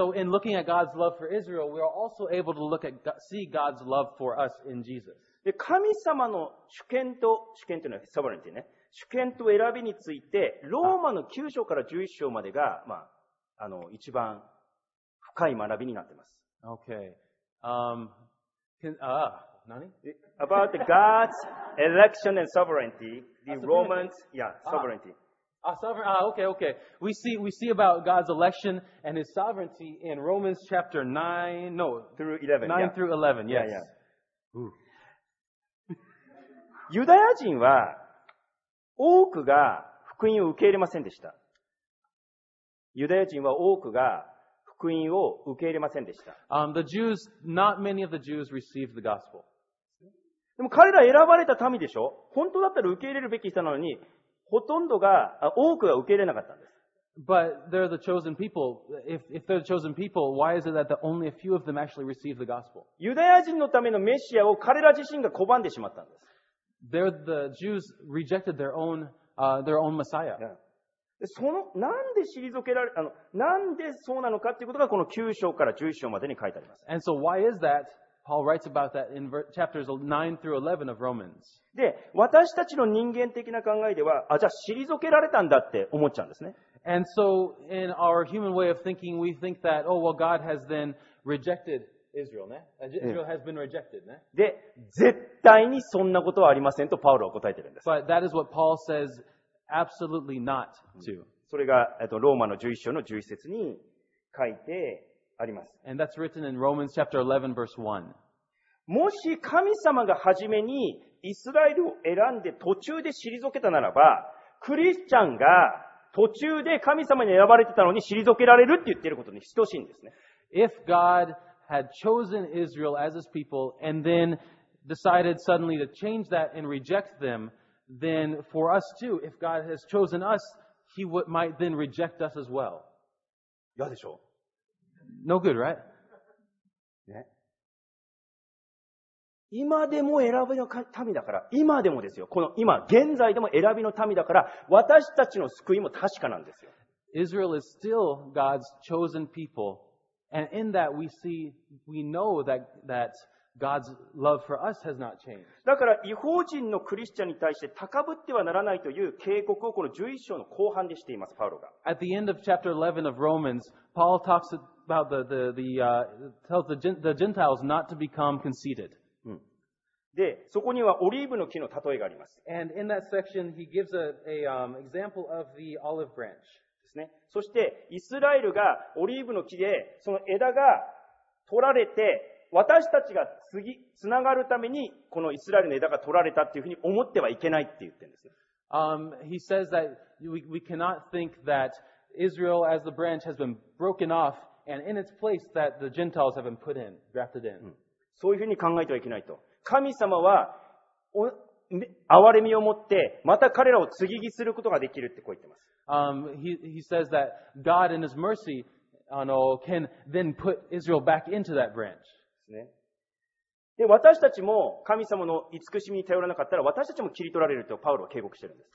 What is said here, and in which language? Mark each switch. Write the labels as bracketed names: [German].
[English] And so, in looking at God's love for Israel, we are also able to look at, see God's love for us in Jesus. [Japanese] で、神様の主権というのは、サバレンティね。主権と選びについて、ローマの9章から11章までが、まあ、あの、一番深い学びになってます。 [English] Okay. About the God's election and sovereignty, the Romans, yeah, sovereignty. Okay. We see about God's election and his sovereignty in Romans chapter 9, no, through 11. 9 yeah. through 11, yes. Yeah, yeah. [Japanese] ユダヤ人は多くが福音を受け入れませんでした。ユダヤ人は多くが福音を受け入れませんでした。 [English] The Jews, not many of the Jews received the gospel. [Japanese] でも彼ら選ばれた民でしょ？本当だったら受け入れるべき人なのに、ほとんどが、多くが受け入れなかったんです。 [English] But they're the chosen people. If they're the chosen people, why is it that only a few of them actually receive the gospel? [Japanese] ユダヤ人のためのメシアを彼ら自身が拒んでしまったんです。 [English] They're the Jews rejected their own Messiah. Yeah. [Japanese] その、なんで退けられ、あの、なんでそうなのかっていうことがこの9章から11章までに書いてあります。 [English] And so why is that? Paul writes about that in chapters 9 through 11 of Romans. [Japanese] で、私たちの人間的な考えでは、あ、じゃあ退けられたんだって思っちゃうんですね。 [English] And so in our human way of thinking, we think that, oh, well, God has then rejected Israel, [Japanese] ね。 [English] Israel has been rejected, [Japanese] ね。で、絶対にそんなことはありませんとパウロは答えてるんです。 [English] But that is what Paul says absolutely not to. [Japanese] それが、ローマの11章の11節に書いてあります。 [English] And that's written in Romans chapter 11 verse 1. [Japanese] もし神様が初めにイスラエルを選んで途中で退けたならば、クリスチャンが途中で神様に選ばれてたのに退けられるって言ってることに等しいんですね。 [English] If God had chosen Israel as his people and then decided suddenly to change that and reject them, then for us too, if God has chosen us, he might then reject us as well. [Japanese] いやでしょ。 [English] No good, right? [Japanese] ね。今でも選びの民だから、今でもですよ。この今、現在でも選びの民だから、私たちの救いも確かなんですよ。 [English] Israel is still God's chosen people. And in that we see, we know that God's love for us has not changed. [Japanese] だから、異邦人のクリスチャンに対して高ぶってはならないという警告をこの11章の後半でしています、パウロが。 [English] At the end of chapter 11 of Romans, Paul talks about the Gentiles not to become conceited. [Japanese] で、そこにはオリーブの木の例えがあります。 [English] And in that section, he gives an example of the olive branch. [Japanese] ですね。そして、イスラエルがオリーブの木で、その枝が取られて、私たちが次、つながるために、このイスラエルの枝が取られたっていうふうに思ってはいけないって言ってるんですよ。 [English] He says that we cannot think that Israel as the branch has been broken off and in its place that the Gentiles have been put in, grafted in.、 [Japanese] うん、そういうふうに考えてはいけないと。神様は、憐れみを持って、また彼らを継ぎ木することができるってこう言ってます。 [English] He says that God in his mercy, can then put Israel back into that branch. [Japanese] で私たちも神様の慈しみに頼らなかったら私たちも切り取られるとパウロは警告してるんです。